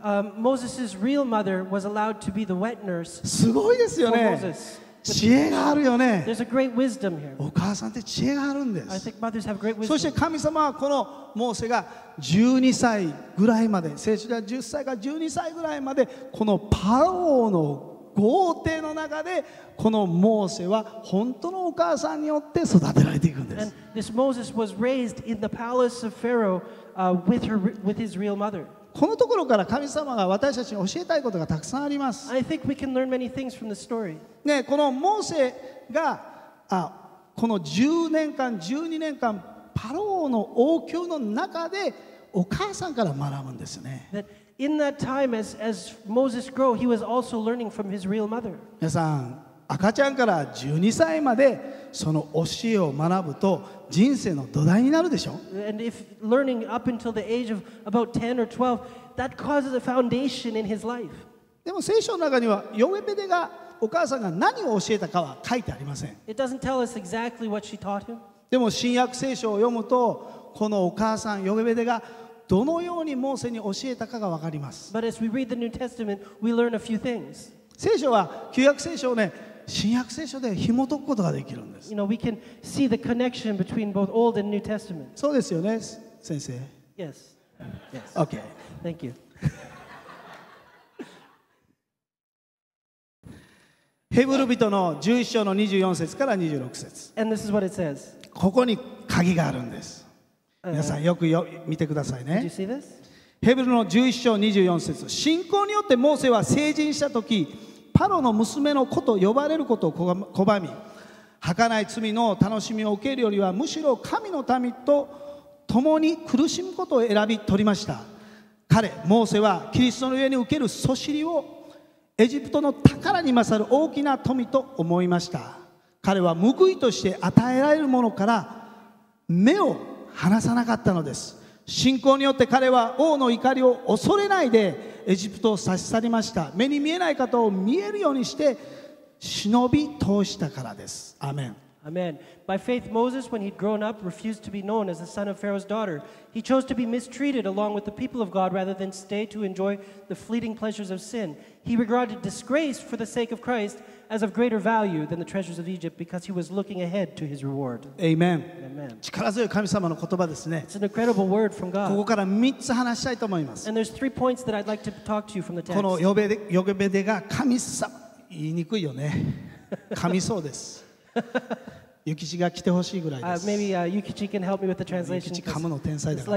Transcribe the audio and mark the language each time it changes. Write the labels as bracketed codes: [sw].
[en] Moses' real mother was allowed to be the wet nurse. [ja] すごいですよね。知恵があるよね。 [en] There's a great wisdom here. [ja] お母さんって知恵があるんです。 [en] I think mothers have great wisdom. [ja] そして神様はこのモーセが12歳ぐらいまで、正式には10歳か12歳ぐらいまでこのパロの豪邸の中でこのモーセは本当のお母さんによって育てられていくんです。 [en] And this Moses was raised in the palace of Pharaoh, with his real mother. [ja] このところから神様が私たちに教えたいことがたくさんあります。 [en] I think we can learn many things from the story. [ja] ね、このモーセがこの10年間、12年間パローの王宮の中でお母さんから学ぶんですね。 [en] In that time, as Moses grew, he was also learning from his real mother. [ja] 皆さん、赤ちゃんから12歳までその教えを学ぶと人生の土台になるでしょ? [en] And if learning up until the age of about 10 or 12, that causes a foundation in his life. [ja] でも聖書の中にはヨゲベデがお母さんが何を教えたかは書いてありません。 [en] It doesn't tell us exactly what she taught him. [ja] でも新約聖書を読むとこのお母さんヨゲベデがどのようにモーセに教えたかが分かります。 [en] But as we read the New Testament, we learn a few things. [ja] 聖書は旧約聖書をね、新約聖書で紐解くことができるんです。 [en] You know, we can see the connection between both Old and New Testament. [ja] そうですよね、先生。 [en] Yes. Yes. Okay. Thank you. [ja] ヘブル人の11章の24節から26節。 [en] And this is what it says. [ja] ここに鍵があるんです。皆さんよく見てくださいね。 [en] Did you see this? [ja] ヘブルの11章24節、信仰によってモーセは成人した時、パロの娘の子と呼ばれることを拒み、儚い罪の楽しみを受けるよりはむしろ神の民と共に苦しむことを選び取りました。彼モーセはキリストの上に受けるそしりをエジプトの宝に勝る大きな富と思いました。彼は報いとして与えられるものから目を離さなかったのです。信仰によって彼は王の怒りを恐れないでエジプトを差し去りました。目に見えない方を見えるようにして忍び通したからです。アメン。 [en] Amen. By faith Moses, when he'd grown up, refused to be known as the son of Pharaoh's daughter. He chose to be mistreated along with the people of God rather than stay to enjoy the fleeting pleasures of sin. He regarded disgrace for the sake of Christ as of greater value than the treasures of Egypt because he was looking ahead to his reward. Amen. Amen. [ja] 力強い神様の言葉ですね。 [en] It's an incredible word from God. [ja] ここから3つ話したいと思います。 [en] And there's three points that I'd like to talk to you from the text. [ja] このヨゲベデが神様、言いにくいよね。神そうです。ユキチが来てほしいぐらいです。 [en] Maybe ユキチ can help me with the translation. [ja] ユキチ噛むの天才だから